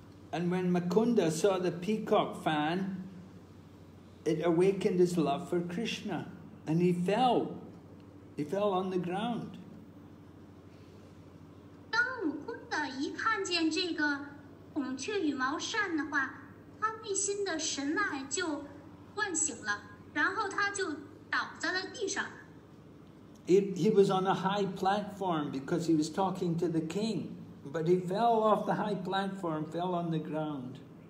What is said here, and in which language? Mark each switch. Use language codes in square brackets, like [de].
[en] And when Mukunda saw the peacock fan, it awakened his love for Krishna, and he fell. He fell on the ground. [zh] 当穆昆达一看见这个孔雀羽毛扇的话， 他内心的神脉就唤醒了，然后他就倒在了地上。 [en] He was on a high platform because he was talking to the king, but he fell off the high platform, fell on the ground.